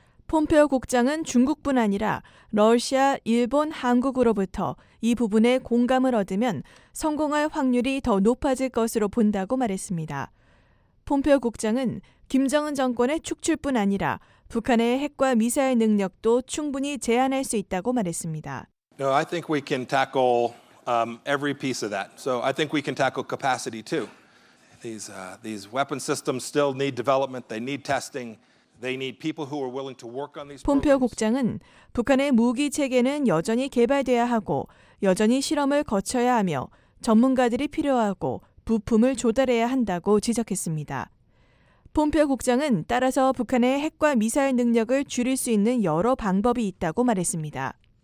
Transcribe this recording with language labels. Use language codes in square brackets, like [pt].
[ko] 폼페오 국장은 중국뿐 아니라 러시아, 일본, 한국으로부터 이 부분에 공감을 얻으면 성공할 확률이 더 높아질 것으로 본다고 말했습니다. 폼페오 국장은 김정은 정권의 축출뿐 아니라 북한의 핵과 미사일 능력도 충분히 제한할 수 있다고 말했습니다. [en] No, I think we can tackle every piece of that. So I think we can tackle capacity too. These weapon systems still need development. They need testing. They need people who are willing to work on these. [ko] 폼페오 국장은 북한의 무기 체계는 여전히 개발돼야 하고 여전히 실험을 거쳐야 하며 전문가들이 필요하고 부품을 조달해야 한다고 지적했습니다. 폼페오 국장은 따라서 북한의 핵과 미사일 능력을 줄일 수 있는 여러 방법이 있다고 말했습니다.